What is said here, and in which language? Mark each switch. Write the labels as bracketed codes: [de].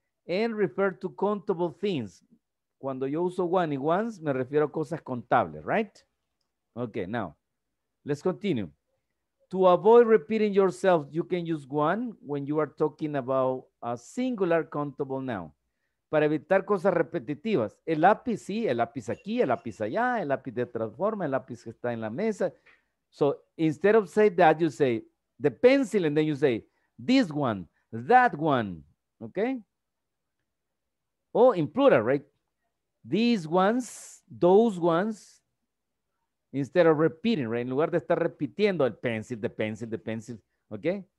[en] And refer to countable things. [es] Cuando yo uso one y ones, me refiero a cosas contables, right? [en] Okay, now, let's continue. To avoid repeating yourself, you can use one when you are talking about a singular countable noun. [es] Para evitar cosas repetitivas. El lápiz, sí, el lápiz aquí, el lápiz allá, el lápiz de transforma, el lápiz que está en la mesa. [en] So, instead of say that, you say the pencil, and then you say this one, that one, okay? Oh, in plural, right? These ones, those ones, instead of repeating, right? [es] En lugar de estar repitiendo el [en] pencil, the pencil, the pencil, okay?